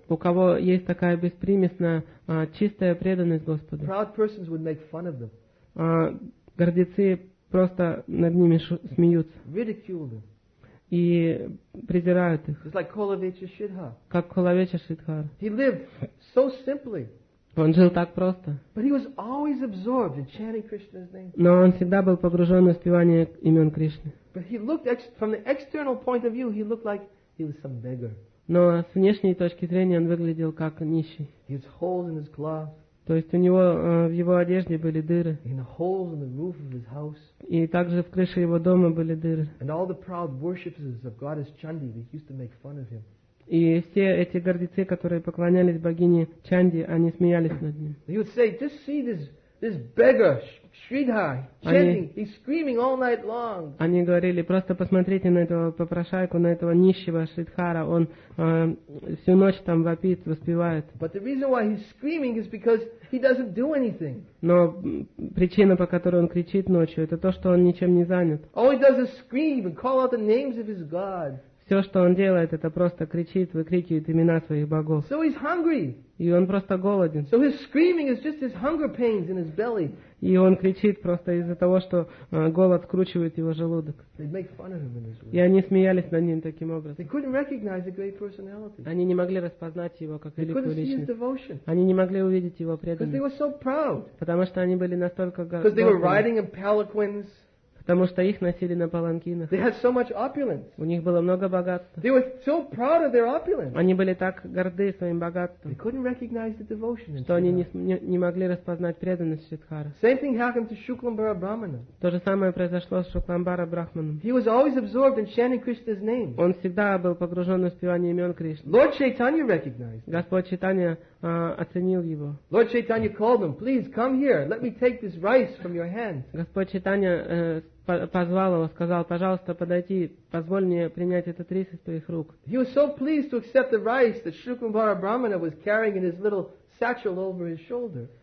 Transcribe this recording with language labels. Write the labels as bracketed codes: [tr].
[ru] У кого есть такая беспримесная чистая преданность Господу. [en] Proud persons would make fun of them. [ru] Гордецы просто над ними смеются. [en] Ridicule them. [ru] И презирают их. [en] It's like Kulavecha Sridhar. [ru] Как Кулавеча Сридхар. [en] He lived so simply. [ru] Он жил так просто. [en] But he was always absorbed in chanting Krishna's name. [ru] Но он всегда был погружен в воспевание имен Кришны. [en] But he looked from the external point of view, he looked like he was some beggar. [ru] Но с внешней точки зрения он выглядел как нищий. [en] He had holes in his cloth. [ru] То есть у него в его одежде были дыры. [en] In the holes in the roof of his house. [ru] И также в крыше его дома были дыры. [en] And all the proud worshippers of goddess Chandi, they used to make fun of him. [ru] И все эти гордецы, которые поклонялись богине Чанди, они смеялись над ним. [en] He would say, just see this beggar, Sridhar, chanting, he's screaming all night long. [ru] Они говорили, просто посмотрите на этого попрошайку, на этого нищего Шридхара, он всю ночь там вопит, воспевает. [en] But the reason why he's screaming is because he doesn't do anything. [ru] Но причина, по которой он кричит ночью, это то, что он ничем не занят. [en] All he does is scream and call out the names of his God. [ru] Все, что он делает, это просто кричит, выкрикивает имена своих богов. [en] So he's hungry. [ru] И он просто голоден. [en] So his screaming is just his hunger pains in his belly. [ru] И он кричит просто из-за того, что голод скручивает его желудок. [en] They'd make fun of him in his [ru] И они смеялись над ним таким образом. [en] They couldn't recognize a great personality. [ru] Они не могли распознать его как великую личность. [en] They couldn't see his devotion. [ru] Они не могли увидеть его преданность. [en] Because they were so proud. [ru] Потому что они были настолько гордыми. [en] Because they were riding in palanquins. [ru] Потому что их носили на паланкинах. [en] They had so much opulence. [ru] У них было много богатства. [en] They were so proud of their opulence. [ru] Они были так горды своим богатством. [en] They couldn't recognize the devotion. [ru] Что они не могли распознать преданность Шридхары. [en] Same thing happened to Shuklambara Brahmana. [ru] То же самое произошло с Шукламбара Брахманом. [en] He was always absorbed in chanting Krishna's name. [ru] Он всегда был погружен в певание имен Кришны. [en] Lord Chaitanya recognized. [ru] Господь Чайтанья оценил его. [en] Lord Chaitanya called him, please come here, let me take this rice from your hands. [ru] Господь Чайтанья позвал его, сказал, пожалуйста, подойди, позволь мне принять этот рис из твоих рук. [en] He was so pleased to accept the rice that Shukumbhara Brahmana was carrying in his little satchel over his shoulder.